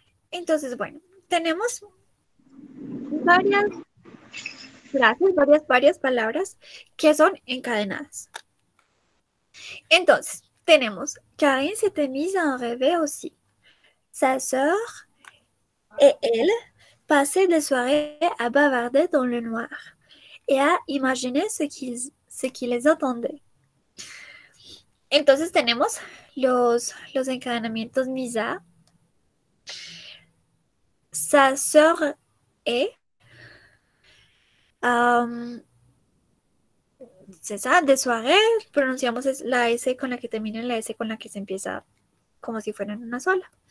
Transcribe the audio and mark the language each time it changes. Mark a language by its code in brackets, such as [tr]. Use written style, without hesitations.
[es] Entonces, bueno, tenemos varias frases, varias palabras que son encadenadas. Entonces, tenemos [fr] Karine s'était mise en rêver aussi. Sa sœur et elle passaient des soirées à bavarder dans le noir et à imaginer ce qui les attendait. [es] Entonces tenemos los encadenamientos Misa, [fr] sa sœur et, [es] c'est ça, [fr] des soirées, [es] pronunciamos la S con la que termina y la S con la que se empieza como si fueran una sola.